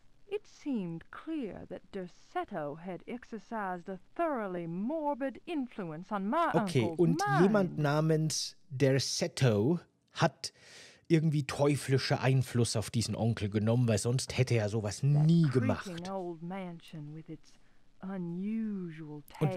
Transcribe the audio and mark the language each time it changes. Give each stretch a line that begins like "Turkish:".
English: It seemed clear that DeSeto had exercised a thoroughly morbid influence on my uncle's
German: Okay, und
English: mind.
German: Jemand namens DeSeto hat irgendwie teuflische Einfluss auf diesen Onkel genommen, weil sonst hätte er sowas nie gemacht.
English: Old mansion with its unusual tales,